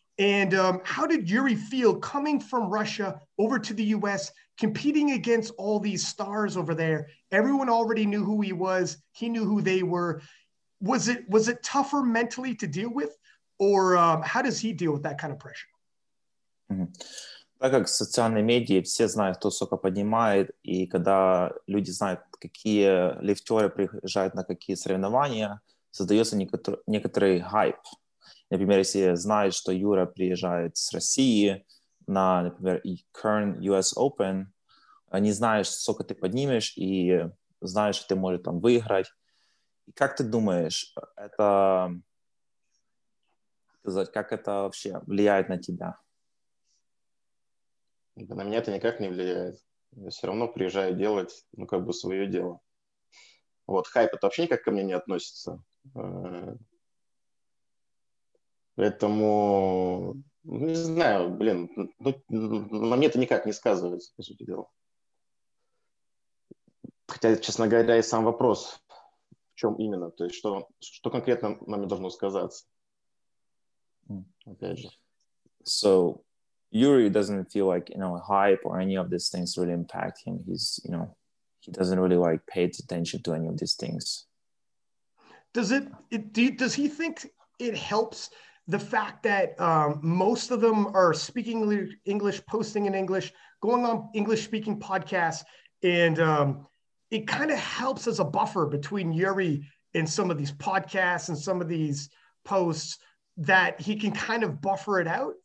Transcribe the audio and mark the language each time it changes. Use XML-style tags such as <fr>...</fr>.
<en>And how did Yuri feel coming from Russia over to the US, competing against all these stars over there? Everyone already knew who he was. He knew who they were. Was it tougher mentally to deal with? Or how does he deal with that kind of pressure? Mm-hmm.</en> <ru>Так как социальные медиа, все знают, кто сколько поднимает, и когда люди знают, какие лифтеры приезжают на какие соревнования, создается некоторый хайп. Например, если знают, что Юра приезжает с России на, например, Kern US Open, они знают, сколько ты поднимешь, и знают, что ты можешь там выиграть. И как ты думаешь, это как это вообще влияет на тебя? На меня это никак не влияет. Я все равно приезжаю делать, ну, как бы свое дело. Вот, хайп это вообще никак ко мне не относится. Поэтому, не знаю, блин, ну, на мне это никак не сказывается, по сути дела. Хотя, честно говоря, и сам вопрос, в чем именно, то есть что конкретно нам должно сказаться. Опять же.</ru> <en>So... Yuri doesn't feel like, you know, hype or any of these things really impact him. He's, you know, he doesn't really like pay attention to any of these things. Does he think it helps the fact that most of them are speaking English, posting in English, going on English speaking podcasts, and it kind of helps as a buffer between Yuri and some of these podcasts and some of these posts, that he can kind of buffer it out?</en>